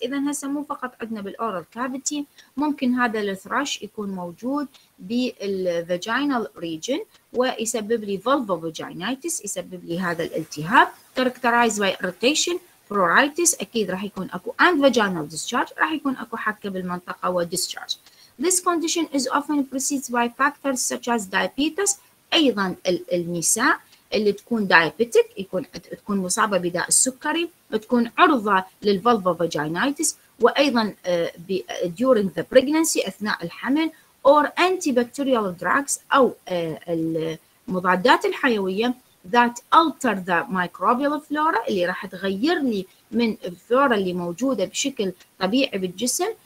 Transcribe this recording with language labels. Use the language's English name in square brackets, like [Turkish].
[Arabic] إذا هسه مو فقط عندنا بالأورال كافيتي، ممكن هذا الثراش يكون موجود بالفاجينال ريجن ويسبب لي vulvovaginitis، يسبب لي هذا الالتهاب [English] characterized by irritation, pruritus، [Arabic] أكيد راح يكون أكو [English] and vaginal discharge، [Arabic] راح يكون أكو حكة بالمنطقة و discharge. [English] This condition is often preceded by factors such as diabetes. [Arabic] أيضا النساء اللي تكون diabetic يكون تكون مصابة بداء السكري بتكون عرضة للvulvovaginitis، وأيضا [English] during the pregnancy [Arabic] أثناء الحمل [English] or antibacterial drugs [Arabic] أو المضادات الحيوية [English] that alter the microbial flora [Arabic] اللي راح تغير لي من الفلورا اللي موجودة بشكل طبيعي بالجسم.